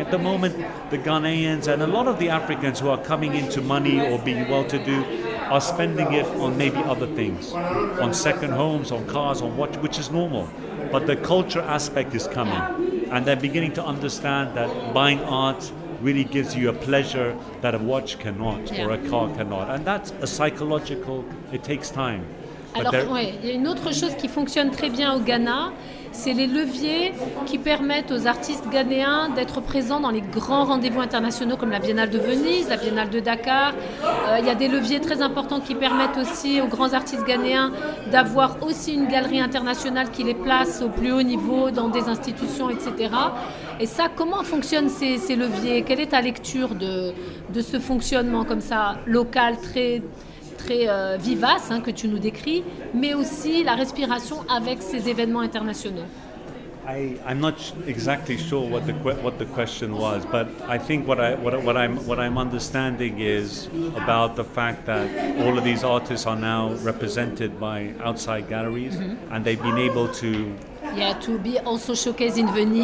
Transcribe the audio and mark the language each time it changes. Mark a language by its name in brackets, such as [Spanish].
[English] At the moment, the Ghanaians and a lot of the Africans who are coming into money or being well-to-do are spending it on maybe other things, on second homes, on cars, on watch, which is normal. But the culture aspect is coming. And they're beginning to understand that buying art really gives you a pleasure that a watch cannot or a car cannot. And that's a psychological, it takes time. [French] Il y a une autre chose qui fonctionne très bien au Ghana, c'est les leviers qui permettent aux artistes ghanéens d'être présents dans les grands rendez-vous internationaux comme la Biennale de Venise, la Biennale de Dakar. Il y a des leviers très importants qui permettent aussi aux grands artistes ghanéens d'avoir aussi une galerie internationale qui les place au plus haut niveau dans des institutions, etc. Et ça, comment fonctionnent ces leviers? Quelle est ta lecture de ce fonctionnement comme ça, local, très vivace, hein, que tu nous décris, mais aussi la respiration avec ces événements internationaux. [English] I'm not exactly sure what the question was, but I think what I'm understanding is about the fact that all of these artists are now represented by outside galleries, mm-hmm. and they've been able to. Yeah, to be also showcased in Venice.